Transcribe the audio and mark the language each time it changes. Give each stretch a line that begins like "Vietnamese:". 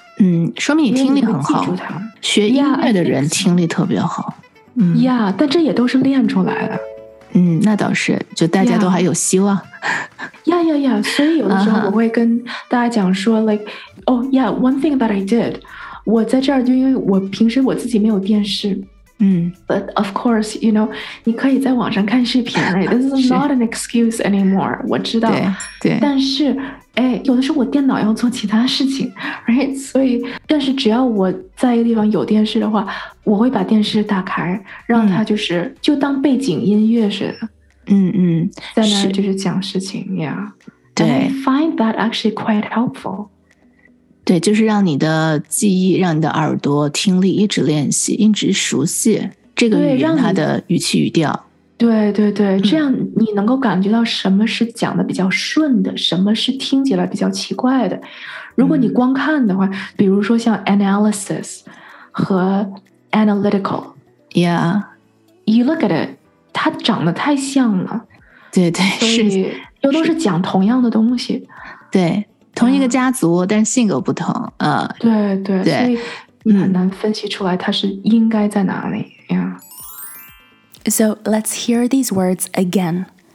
Chinese: 嗯，说明你听力很好，学音乐的人听力特别好。嗯呀，但这也都是练出来的。嗯，那倒是，就大家都还有希望。呀呀呀，所以有的时候我会跟大家讲说 like oh yeah one thing that I did，我在这儿就因为我平时我自己没有电视。嗯，
English: but of course you know 你可以在网上看视频。 This is not an excuse anymore，我知道。
Chinese: 对，但是哎，有的时候我电脑要做其他事情， right？所以但是只要我在一个地方有电视的话，我会把电视打开，让它就是、嗯、就当背景音乐似的。嗯嗯，在那就是讲事情呀。对，
English: find that actually quite helpful。
Chinese: 对，就是让你的记忆，让你的耳朵听力一直练习，一直熟悉这个语言它的语气语调。对对对，这样你能够感觉到什么是讲的比较顺的、嗯、什么是听起来比较奇怪的。如果你光看的话、嗯、比如说像 analysis 和 analytical，
English: yeah，
Chinese: you look at it，它长得太像了。对对，是，又都是讲同样的东西。对，同一个家族、嗯、但性格不同、对对对，所以你很难分析出来它是应该在哪里。
English: So let's hear these words again.